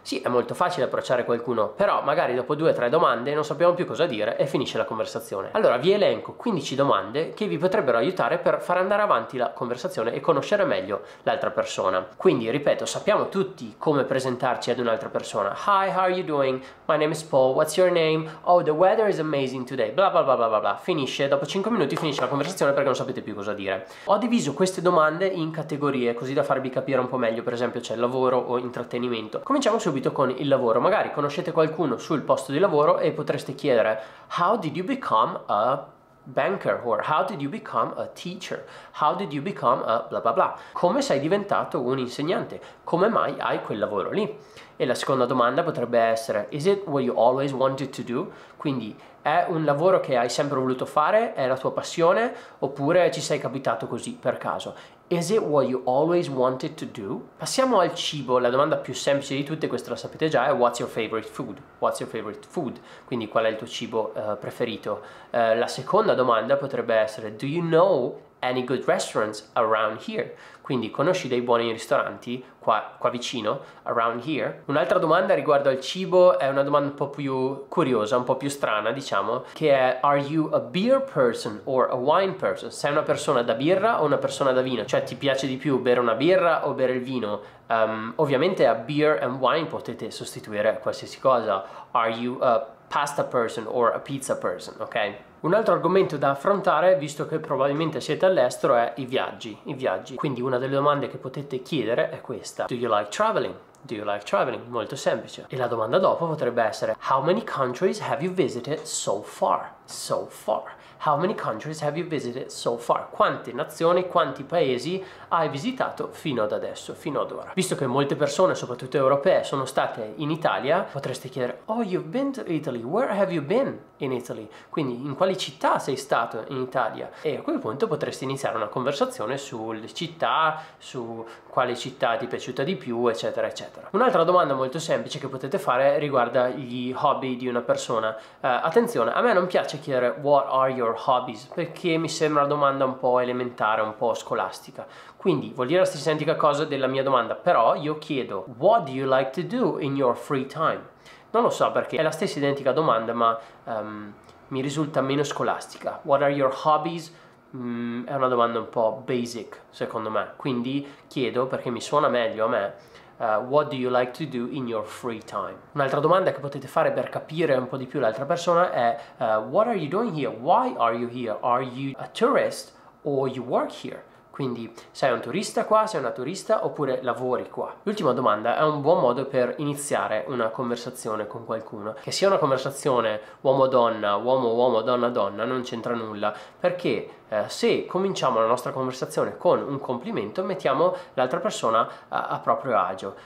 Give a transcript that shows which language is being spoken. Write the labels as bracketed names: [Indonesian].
[Italian] Sì, è molto facile approcciare qualcuno, però magari dopo due o tre domande non sappiamo più cosa dire e finisce la conversazione. Allora vi elenco 15 domande che vi potrebbero aiutare per far andare avanti la conversazione e conoscere meglio l'altra persona. Quindi ripeto, sappiamo tutti come presentarci ad un'altra persona. [English] Hi, how are you doing? My name is Paul, what's your name? Oh, the weather is amazing today. Bla bla bla bla bla. [Italian] Finisce, dopo 5 minuti finisce la conversazione perché non sapete più cosa dire. Ho diviso queste domande in categorie così da farvi capire un po' meglio. Per esempio c'è lavoro o intrattenimento. Cominciamo subito con il lavoro. Magari conoscete qualcuno sul posto di lavoro e potreste chiedere: [English] How did you become a banker? Or how did you become a teacher? How did you become a bla bla bla? [Italian] Come sei diventato un insegnante? Come mai hai quel lavoro lì? E la seconda domanda potrebbe essere: [English] Is it what you always wanted to do? [Italian] Quindi è un lavoro che hai sempre voluto fare? È la tua passione? Oppure ci sei capitato così per caso? [English] Is it what you always wanted to do? [Italian] Passiamo al cibo. La domanda più semplice di tutte, questa la sapete già, è [English] What's your favorite food? What's your favorite food? [Italian] Quindi qual è il tuo cibo preferito? La seconda domanda potrebbe essere: [English] Do you know any good restaurants around here? [Italian] Quindi conosci dei buoni ristoranti qua vicino, [English] around here? [Italian] Un'altra domanda riguardo al cibo è una domanda un po' più curiosa, un po' più strana, diciamo, che è: [English] Are you a beer person or a wine person? [Italian] Sei una persona da birra o una persona da vino? Cioè, ti piace di più bere una birra o bere il vino? Ovviamente [English] a beer and wine [Italian] potete sostituire qualsiasi cosa. [English] Are you a pasta person or a pizza person, ok? [Italian] Un altro argomento da affrontare, visto che probabilmente siete all'estero, è i viaggi. Quindi una delle domande che potete chiedere è questa: [English] Do you like traveling? Do you like traveling? [Italian] Molto semplice. E la domanda dopo potrebbe essere: [English] How many countries have you visited so far? So far. How many countries have you visited so far? [Italian] Quante nazioni, quanti paesi hai visitato fino ad adesso, fino ad ora? Visto che molte persone, soprattutto europee, sono state in Italia, potreste chiedere: [English] Oh, you've been to Italy. Where have you been in Italy? [Italian] Quindi, in quali città sei stato in Italia? E a quel punto potresti iniziare una conversazione sulle città, su quale città ti è piaciuta di più, eccetera, eccetera. Un'altra domanda molto semplice che potete fare riguarda gli hobby di una persona. Attenzione, a me non piace chiedere [English] What are your hobbies? [Italian] Perché mi sembra una domanda un po' elementare, un po' scolastica. Quindi vuol dire la stessa identica cosa della mia domanda, però io chiedo: [English] What do you like to do in your free time? [Italian] Non lo so perché è la stessa identica domanda, ma mi risulta meno scolastica. [English] What are your hobbies? [Italian] È una domanda un po' basic, secondo me. Quindi chiedo, perché mi suona meglio a me, [English] What do you like to do in your free time? [Italian] Un'altra domanda che potete fare per capire un po' di più l'altra persona è: [English] What are you doing here? Why are you here? Are you a tourist or you work here? [Italian] Quindi sei un turista qua, sei una turista oppure lavori qua? L'ultima domanda è un buon modo per iniziare una conversazione con qualcuno. Che sia una conversazione uomo-donna, uomo-uomo, donna-donna, non c'entra nulla. Perché se cominciamo la nostra conversazione con un complimento, mettiamo l'altra persona a proprio agio.